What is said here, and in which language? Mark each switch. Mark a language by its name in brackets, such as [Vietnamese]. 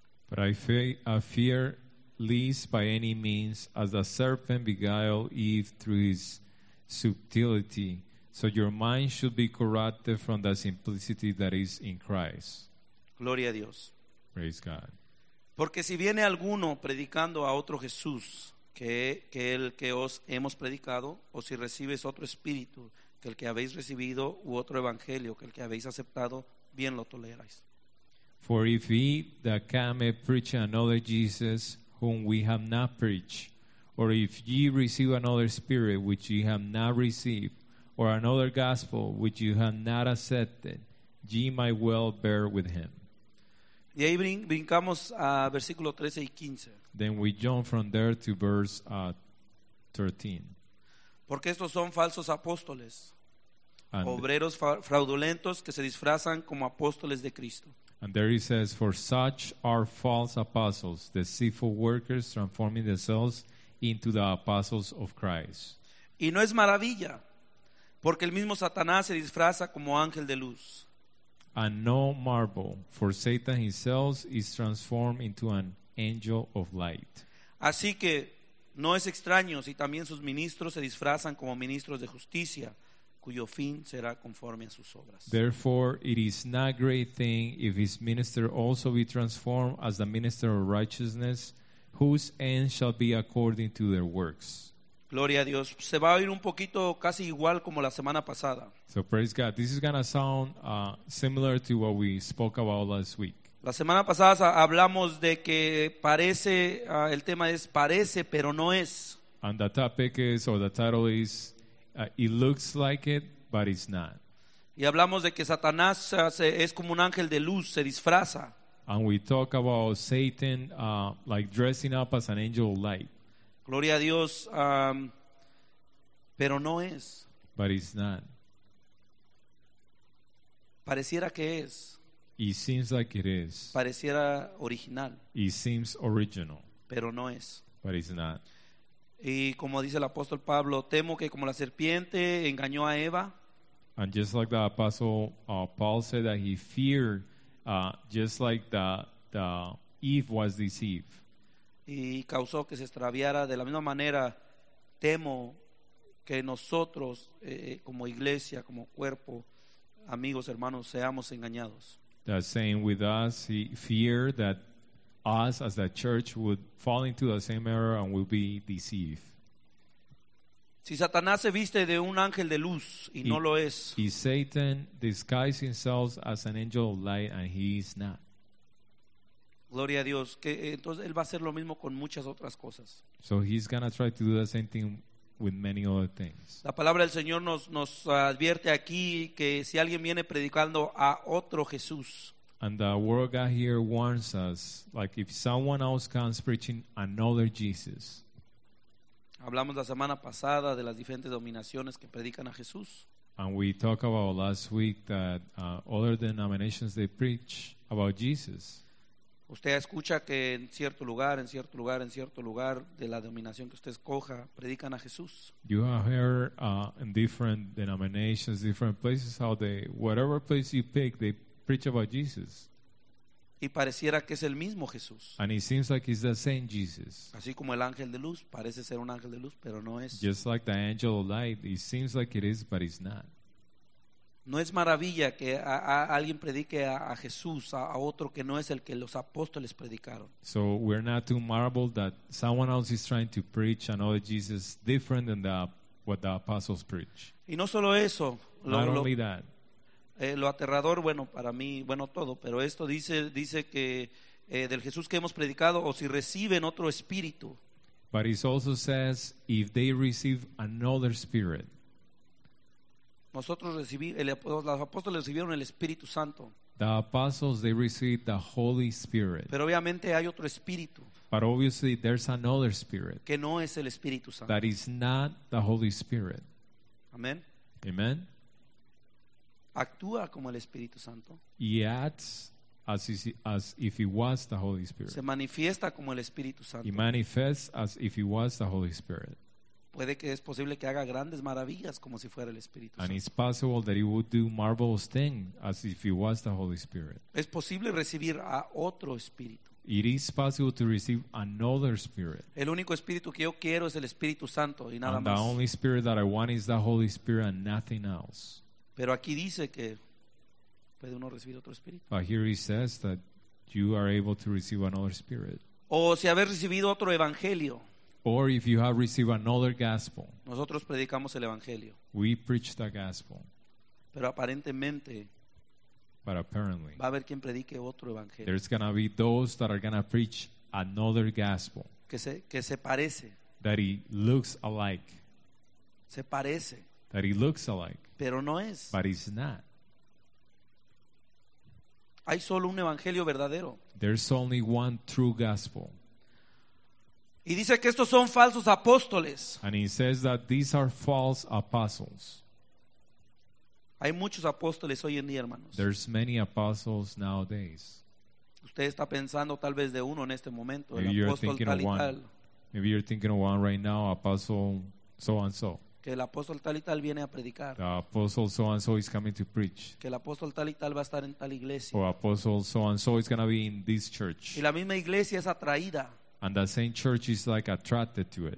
[English] But I fear lest by any means, as the serpent beguiled Eve through his subtlety, so your mind should be corrupted from the simplicity that is in Christ. [Spanish] Gloria a Dios. [English] Praise God. [Spanish] Porque si viene alguno predicando a otro Jesús que el que os hemos predicado, o si recibes otro espíritu que el que habéis recibido, u otro evangelio que el que habéis aceptado, bien lo toleráis. [English] For if he that cometh preach another Jesus whom we have not preached, or if ye receive another spirit which ye have not received, or another gospel which you have not accepted, ye might well bear with him. [Spanish] Y ahí brincamos a versículo 13 y 15. [English] Then we jump from there to verse 13. [Spanish] Porque estos son falsos apóstoles, obreros fraudulentos que se disfrazan como apóstoles de Cristo. [English] And there he says, for such are false apostles, deceitful workers, transforming themselves into the apostles of Christ. [Spanish] Y no es maravilla, porque el mismo Satanás se disfraza como ángel de luz. And no marvel, for Satan himself is transformed into an angel of light. Así que, No es extraño si también sus ministros se disfrazan como ministros de justicia, cuyo fin será conforme a sus obras. [English] Therefore, it is not a great thing if his minister also be transformed as the minister of righteousness, whose end shall be according to their works. [Spanish] Gloria a Dios. Se va a oír un poquito casi igual como la semana pasada. [English] So praise God. This is going to sound similar to what we spoke about last week. [Spanish] La semana pasada hablamos de que parece, el tema es parece, pero no es. [English] And the topic is, or the title is, it looks like it, but it's not. [Spanish] Y hablamos de que Satanás es como un ángel de luz, se disfraza. [English] And we talk about Satan like dressing up as an angel of light. [Spanish] Gloria a Dios, pero no es. [English] But it's not. [Spanish] Pareciera que es. [English] It seems like it is. [Spanish] Pareciera original. [English] It seems original. [Spanish] Pero no es. [English] But it's not. [Spanish] Y como dice el apóstol Pablo, temo que como la serpiente engañó a Eva. [English] And just like the apostle Paul said that he feared, just like the Eve was deceived. [Spanish] Y causó que se extraviara. De la misma manera, temo que nosotros, como iglesia, como cuerpo, amigos, hermanos, seamos engañados. [English] The same with us, he fear that us as the church would fall into the same error and will be deceived. [Spanish] Si Satanás se viste de un ángel de luz y no lo es. [English] If Satan disguises himself as an angel of light and he is not. [Spanish] Gloria a Dios, que entonces él va a hacer lo mismo con muchas otras cosas. [English] So he's going to try to do the same thing with many other things. [Spanish] La palabra del Señor nos advierte aquí que si alguien viene predicando a otro Jesús. [English] And the word of God here warns us, like if someone else comes preaching another Jesus. [Spanish] Hablamos la semana pasada de las diferentes denominaciones que predican a Jesús. [English] And we talked about last week that other denominations they preach about Jesus. [Spanish] Usted escucha que en cierto lugar, en cierto lugar, en cierto lugar de la denominación que usted escoja, predican a Jesús. [English] You have heard in different denominations, different places, how they, whatever place you pick, they preach about Jesus. [Spanish] Y pareciera que es el mismo Jesús. [English] And it seems like it's the same Jesus. [Spanish] Así como el ángel de luz, parece ser un ángel de luz, pero no es. [English] Just like the angel of light, it seems like it is, but it's not. [Spanish] No es maravilla que alguien predique a Jesús, a otro que no es el que los apóstoles predicaron. [English] So we're not too marveled that someone else is trying to preach another Jesus different than what the apostles preach. [Spanish] Y no solo eso. [English] Not only that. [Spanish] Lo aterrador, bueno, para mí, bueno, todo, pero esto dice que del Jesús que hemos predicado, o si reciben otro espíritu. [English] But it also says, if they receive another spirit. [Spanish] Nosotros recibimos, los apóstoles recibieron el Espíritu Santo. [English] The apostles, they received the Holy Spirit. [Spanish] Pero obviamente hay otro espíritu. [English] But obviously there's another spirit. [Spanish] Que no es el Espíritu Santo. [English] That is not the Holy Spirit. [Spanish] Amén. [English] Amen. [Spanish] Actúa como el Espíritu Santo. [English] He acts as if he was the Holy Spirit. [Spanish] Se manifiesta como el Espíritu Santo. [English] He manifests as if he was the Holy Spirit. [Spanish] Puede que es posible que haga grandes maravillas como si fuera el Espíritu Santo. [English] And it's possible that he would do marvelous things as if he was the Holy Spirit. [Spanish] Es posible recibir a otro espíritu. [English] It is possible to receive another spirit. [Spanish] El único espíritu que yo quiero es el Espíritu Santo y nada [English] and [Spanish] más. [English] And the only spirit that I want is the Holy Spirit and nothing else. [Spanish] Pero aquí dice que puede uno recibir otro espíritu. [English] But here he says that you are able to receive another spirit. [Spanish] O si haber recibido otro evangelio. [English] Or if you have received another gospel. [Spanish] Nosotros predicamos el evangelio. [English] We preach the gospel. [Spanish] Pero aparentemente. [English] But apparently. [Spanish] Va a haber quien predique otro evangelio. [English] There's going to be those that are going to preach another gospel. [Spanish] Que se parece. [English] That it looks alike. [Spanish] Se parece. [English] That it looks alike. [Spanish] Pero no es. [English] But it's not. [Spanish] Hay solo un evangelio verdadero. [English] There's only one true gospel. [Spanish] Y dice que estos son falsos apóstoles. [English] And he says that these are false apostles. [Spanish] Hay muchos apóstoles hoy en día, hermanos. [English] There's many apostles nowadays. [Spanish] Usted está pensando tal vez de uno en este momento. [English] Maybe [Spanish] el apóstol tal y tal. [English] Maybe you're thinking of one right now, apostle so and so. [Spanish] Que el apóstol tal y tal viene a predicar. [English] The apostle so and so is coming to preach. [Spanish] Que el apóstol tal y tal va a estar en tal iglesia. [English] Or apostle so and so is going to be in this church. [Spanish] Y la misma iglesia es atraída. [English] And that same church is like attracted to it.